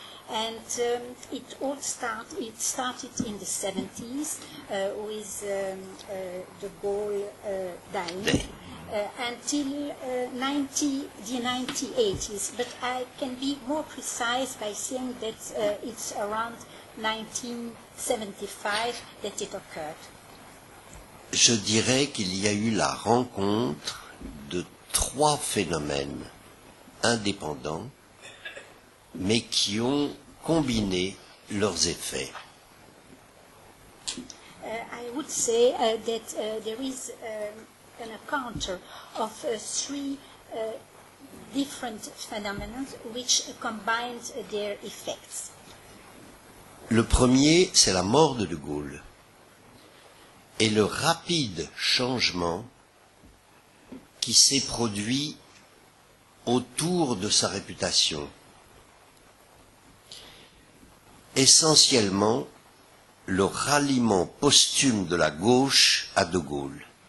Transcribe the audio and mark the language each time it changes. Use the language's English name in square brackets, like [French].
[English] And it started in the 70s with the Gaulle dying until the 1980s. But I can be more precise by saying that it's around 1975 that it occurred. [French] Je dirais qu'il y a eu la rencontre de trois phénomènes indépendants, mais qui ont combiné leurs effets. [English] I would say that there is an encounter of three different phenomena which combined their effects. [French] Le premier, c'est la mort de Gaulle et le rapide changement qui s'est produit autour de sa réputation. Essentiellement, le ralliement posthume de la gauche à De Gaulle.